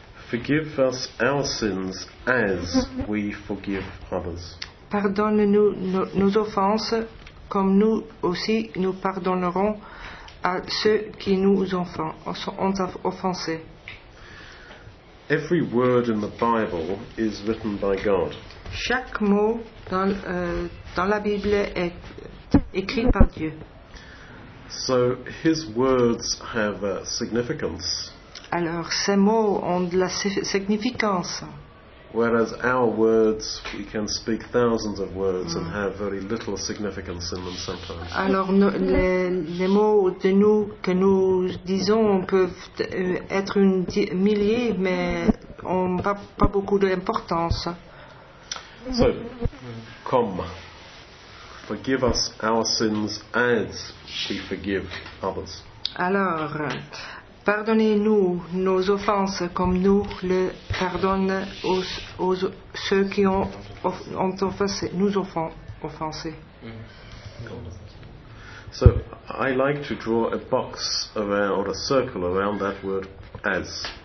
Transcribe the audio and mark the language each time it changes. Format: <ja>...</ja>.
<en>Forgive us our sins as we forgive others.</en> <fr>Pardonne-nous nos offenses comme nous aussi nous pardonnerons à ceux qui nous ont offensés.</fr> <en>Every word in the Bible is written by God.</en> <fr>Chaque mot dans la Bible est écrit par Dieu.</fr> <en>So his words have a significance.</en> <fr>Alors ces mots ont de la significance.</fr> <en>Whereas our words, we can speak thousands of words and have very little significance in them sometimes.</en> <fr>Alors les mots de nous que nous disons peuvent être un millier, mais ont pas beaucoup d'importance. So, comme.</fr> <en>Forgive us our sins as we forgive others.</en> <fr>Alors, pardonnez-nous nos offenses comme nous le pardonnons aux ceux qui ont offensé, nous ont offensé.</fr> <en>So, I like to draw a box around or a circle around that word as.</en>